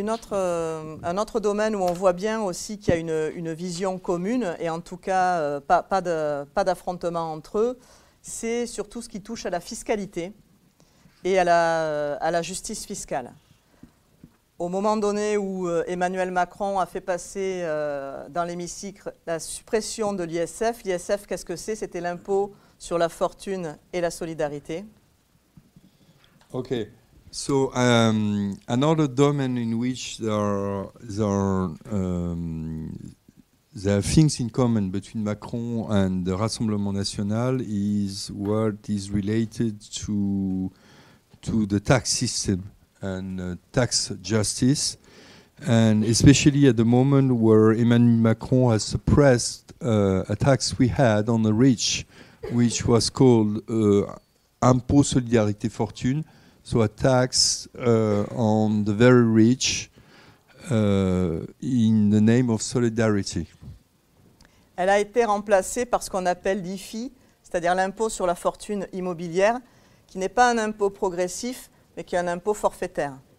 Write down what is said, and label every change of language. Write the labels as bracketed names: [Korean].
[French] Un autre domaine où on voit bien aussi qu'il y a une vision commune et en tout cas pas d'affrontement entre eux, c'est surtout ce qui touche à la fiscalité et à la justice fiscale. Au moment donné où Emmanuel Macron a fait passer dans l'hémicycle la suppression de l'ISF, l'ISF, qu'est-ce que c'est? C'était l'impôt sur la fortune et la solidarité. [English] Ok, so another domain in which there are things in common between Macron and the Rassemblement National is what is related to the tax system. And tax justice, and especially at the moment where Emmanuel Macron has suppressed a tax we had on the rich, which was called Impôt Solidarité Fortune, so a tax on the very rich in the name of solidarity. [French] Elle a été remplacée par ce qu'on appelle l'IFI, c'est-à-dire l'impôt sur la fortune immobilière, qui n'est pas un impôt progressif, mais qui est un impôt forfaitaire.